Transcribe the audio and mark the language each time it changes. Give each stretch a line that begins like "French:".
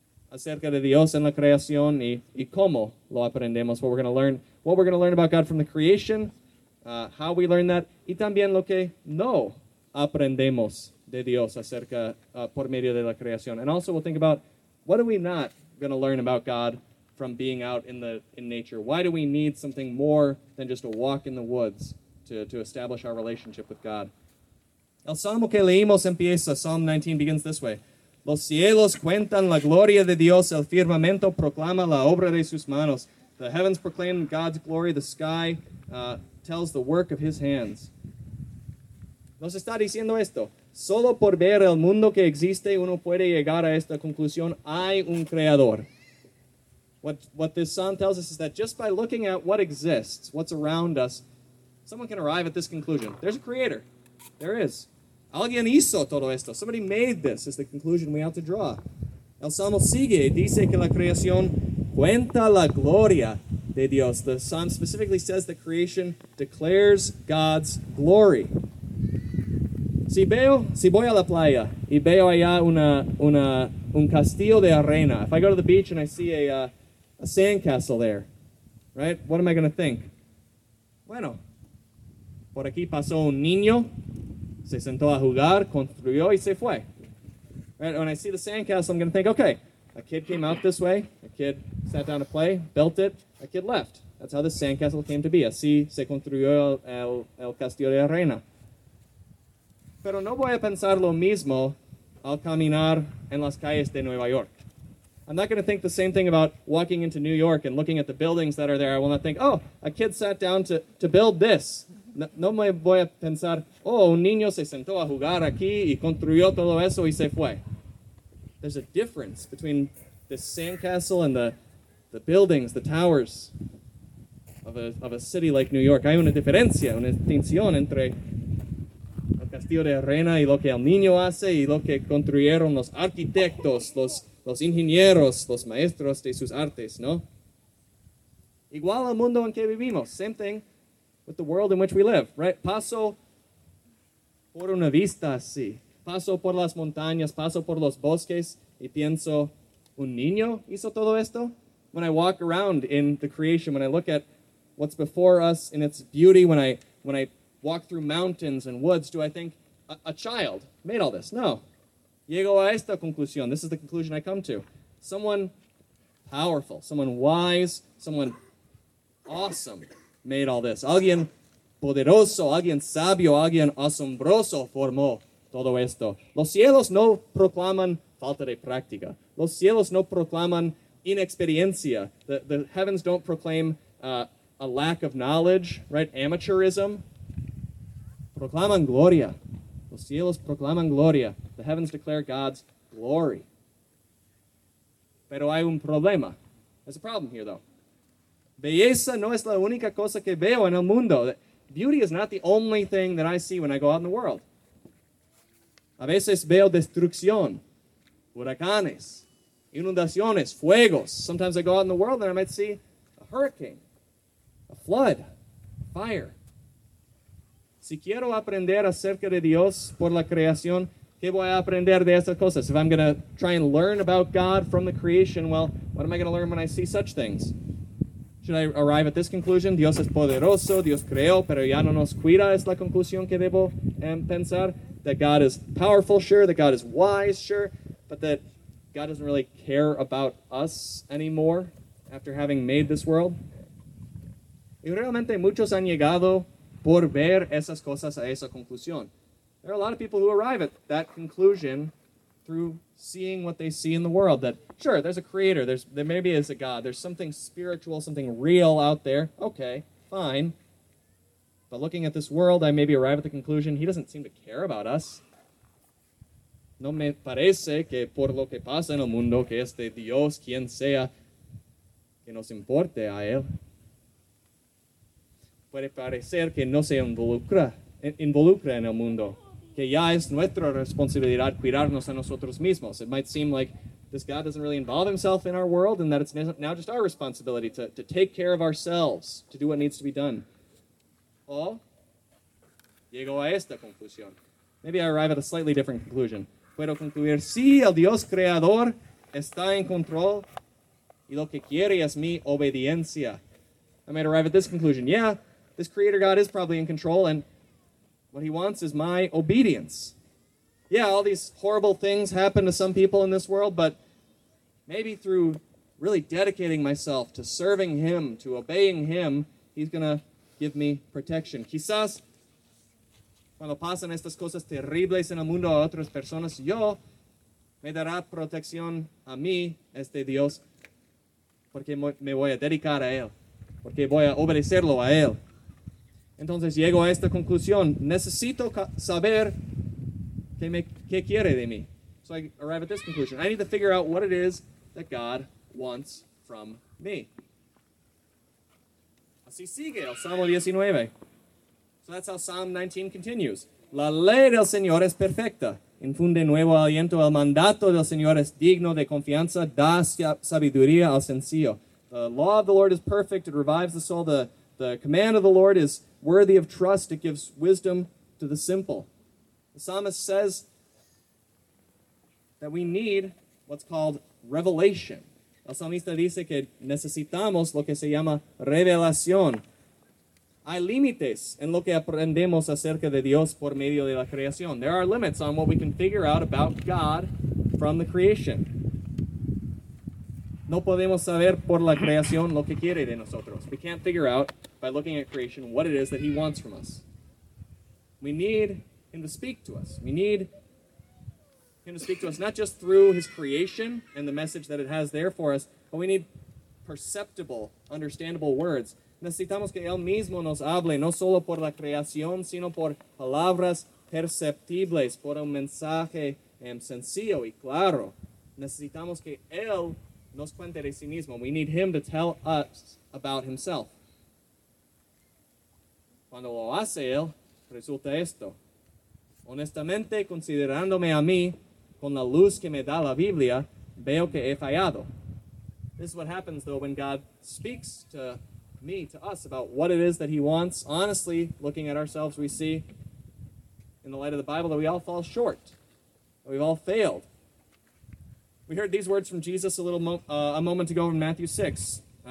Spanish: acerca de Dios en la creación y cómo lo aprendemos,
English: what we're going to learn about God from the creation, how we learn that,
Spanish: y también lo que no aprendemos de Dios acerca por medio de la creación.
English: And also we'll think about, what are we not going to learn about God from being out in nature? Why do we need something more than just a walk in the woods to establish our relationship with God?
Spanish: El Salmo que leímos empieza,
English: Psalm 19 begins this way.
Spanish: Los cielos cuentan la gloria de Dios, el firmamento proclama la obra de sus manos.
English: The heavens proclaim God's glory, the sky tells the work of His hands.
Spanish: Nos está diciendo esto. Solo por ver el mundo que existe, uno puede llegar a esta conclusión. Hay un creador.
English: What this psalm tells us is that just by looking at what exists, what's around us, someone can arrive at this conclusion. There's a creator. There is.
Spanish: Alguien hizo todo esto.
English: Somebody made this, is the conclusion we have to draw.
Spanish: El Salmo sigue y dice que la creación cuenta la gloria de Dios.
English: The psalm specifically says that creation declares God's glory.
Spanish: si voy a la playa y veo allá un castillo de arena,
English: if I go to the beach and I see a sandcastle there, right? What am I going to think?
Spanish: Bueno, por aquí pasó un niño, se sentó a jugar, construyó y se fue.
English: Right? When I see the sandcastle, I'm going to think, okay, a kid came out this way, a kid sat down to play, built it, a kid left. That's how the sandcastle came to be.
Spanish: Así se construyó el castillo de arena. Pero no voy a pensar lo mismo al caminar en las calles de Nueva York.
English: I'm not going to think the same thing about walking into New York and looking at the buildings that are there. I will not think, oh, a kid sat down to build this.
Spanish: No me voy a pensar, oh, un niño se sentó a jugar aquí y construyó todo eso y se fue.
English: There's a difference between the sandcastle and the buildings, the towers of a city like New York.
Spanish: Hay una diferencia, una distinción entre el castillo de arena y lo que el niño hace y lo que construyeron los arquitectos, los ingenieros, los maestros de sus artes, ¿no? Igual al mundo en que vivimos.
English: Same thing with the world in which we live, right?
Spanish: Paso por una vista así. Paso por las montañas, paso por los bosques y pienso, ¿un niño hizo todo esto?
English: When I walk around in the creation, when I look at what's before us in its beauty, when I walk through mountains and woods, do I think a child made all this? No.
Spanish: Llego a esta conclusión.
English: This is the conclusion I come to. Someone powerful, someone wise, someone awesome made all this.
Spanish: Alguien poderoso, alguien sabio, alguien asombroso formó todo esto. Los cielos no proclaman falta de práctica. Los cielos no proclaman inexperiencia.
English: The heavens don't proclaim a lack of knowledge, right?
Spanish: Amateurism. Proclaman gloria. Los cielos proclaman gloria.
English: The heavens declare God's glory.
Spanish: Pero hay un problema.
English: There's a problem here, though.
Spanish: Belleza no es la única cosa que veo en el mundo.
English: Beauty is not the only thing that I see when I go out in the world.
Spanish: A veces veo destrucción, huracanes, inundaciones, fuegos.
English: Sometimes I go out in the world and I might see a hurricane, a flood, fire.
Spanish: Si quiero aprender acerca de Dios por la creación, ¿qué voy a aprender de esas cosas?
English: If I'm going to try and learn about God from the creation, well, what am I going to learn when I see such things? Should I arrive at this conclusion?
Spanish: Dios es poderoso, Dios creó, pero ya no nos cuida, es la conclusión que debo pensar.
English: That God is powerful, sure, that God is wise, sure, but that God doesn't really care about us anymore after having made this world. Y realmente muchos han llegado por ver esas cosas a esa conclusión. There are a lot of people who arrive at that conclusion through seeing what they see in the world. That, sure, there's a creator. There maybe is a God. There's something spiritual, something real out there. Okay, fine. But looking at this world, I maybe arrive at the conclusion, he doesn't seem to care about us.
Spanish: No me parece que por lo que pasa en el mundo, que este Dios, quien sea, que nos importe a él. Puede parecer que no se involucra en el mundo, que ya es nuestra responsabilidad cuidarnos a nosotros mismos.
English: It might seem like this God doesn't really involve himself in our world and that it's now just our responsibility to take care of ourselves, to do what needs to be done.
Spanish: O llego a esta conclusión.
English: Maybe I arrive at a slightly different conclusion.
Spanish: Puedo concluir, sí, el Dios creador está en control y lo que quiere es mi obediencia.
English: I might arrive at this conclusion, yeah, this creator God is probably in control, and what he wants is my obedience. Yeah, all these horrible things happen to some people in this world, but maybe through really dedicating myself to serving him, to obeying him, he's going to give me protection.
Spanish: Quizás cuando pasan estas cosas terribles en el mundo a otras personas, yo me dará protección a mí, este Dios, porque me voy a dedicar a él, porque voy a obedecerlo a él. Entonces llego a esta conclusión. Necesito saber qué quiere de mí.
English: So I arrive at this conclusion. I need to figure out what it is that God wants from me.
Spanish: Así sigue el Salmo 19.
English: So that's how Psalm 19 continues.
Spanish: La ley del Señor es perfecta. Infunde nuevo aliento. El mandato del Señor es digno de confianza. Da sabiduría al sencillo.
English: The law of the Lord is perfect. It revives the soul. The command of the Lord is worthy of trust. It gives wisdom to the simple. The psalmist says that we need what's called revelation.
Spanish: El salmista dice que necesitamos lo que se llama revelación. Hay límites en lo que aprendemos acerca de Dios por medio de la creación.
English: There are limits on what we can figure out about God from the creation.
Spanish: No podemos saber por la creación lo que quiere de nosotros.
English: We can't figure out by looking at creation what it is that he wants from us. We need him to speak to us. We need him to speak to us not just through his creation and the message that it has there for us, but we need perceptible, understandable words.
Spanish: Necesitamos que él mismo nos hable, no solo por la creación, sino por palabras perceptibles, por un mensaje sencillo y claro. Necesitamos que él nos cuente de sí mismo.
English: We need him to tell us about himself.
Spanish: Cuando lo hace él, resulta esto. Honestamente, considerándome a mí, con la luz que me da la Biblia, veo que he fallado.
English: This is what happens, though, when God speaks to me, to us, about what it is that he wants. Honestly, looking at ourselves, we see in the light of the Bible that we all fall short. That we've all failed. We heard these words from Jesus a moment ago in Matthew 6.